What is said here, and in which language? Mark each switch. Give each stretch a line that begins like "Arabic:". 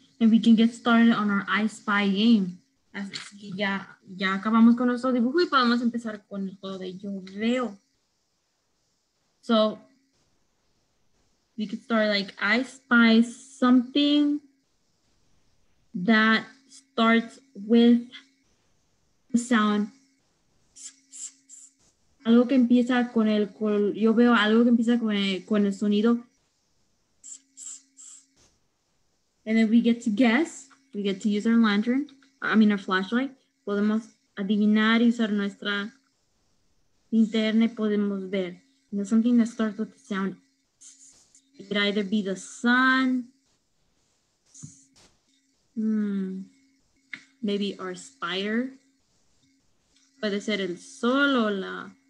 English: And we can get started on our I Spy game.
Spanish: Así que ya acabamos con nuestro dibujo y podemos empezar con el juego de Yo Veo.
English: So, we could start like I Spy something that starts with the sound.
Spanish: Algo que empieza con el, yo veo algo que empieza con el sonido.
English: And then we get to guess. We get to use our lantern, I mean our flashlight.
Spanish: Podemos adivinar y usar nuestra linterna y podemos ver.
English: You know, something that starts with the sound. It could either be the sun. Maybe our spire.
Spanish: Puede ser el sol o la...